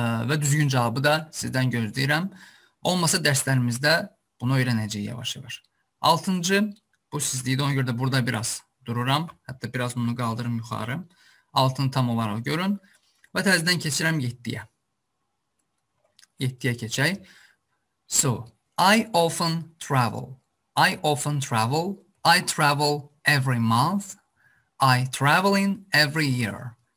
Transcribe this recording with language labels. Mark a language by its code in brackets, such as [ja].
[az] Ve düzgün cevabı da sizden gözləyirəm. Olmasa derslerimizdə bunu öyrənəcəyik yavaş yavaş. Altıncı. Bu sizdiydi, ona görə də burada biraz dururam. Hətta biraz bunu qaldırım yuxarı. Altını tam olaraq görün. Və təzədən keçirəm 7-yə. 7-yə keçək. [en] So, I often travel. I travel every month. I travel in every year.